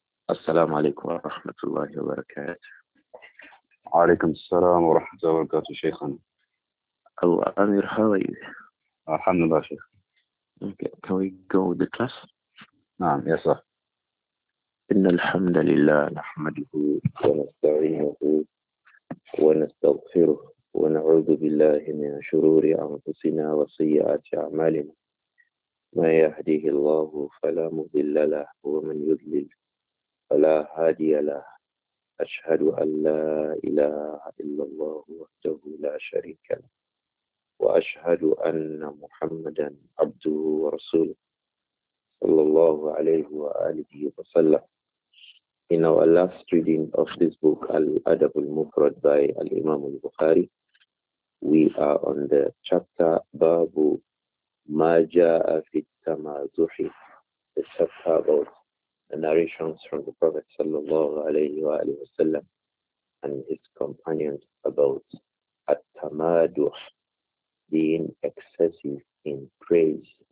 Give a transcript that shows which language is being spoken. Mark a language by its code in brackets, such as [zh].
[ar] السلام عليكم ورحمة الله وبركاته. وعليكم السلام ورحمة الله وبركاته شيخنا. [en] Hello, Amir, how are you? [ar] الحمد لله شيخ. [en] Okay, can we go with the class? [ar] نعم يا صاح. إن الحمد لله نحمده ونستعينه ونستغفره ونعوذ بالله من شرور أنفسنا وسيئات أعمالنا. من يهده الله فلا مضل له ومن يضلل فلا هادي له. أشهد أن لا إله إلا الله وحده لا شريك له وأشهد أن محمدا عبده ورسوله صلى الله عليه وآله وسلم. [en] In our last reading of this book, Al-Adab al-Mufrad by Al-Imam al-Bukhari, we are on the chapter Babu Ma Ja'a fi Tamazuhi, the chapter about the narrations from the Prophet sallallahu alayhi wa alayhi wa sallam and his companions about at-tamaduh, being excessive in praise,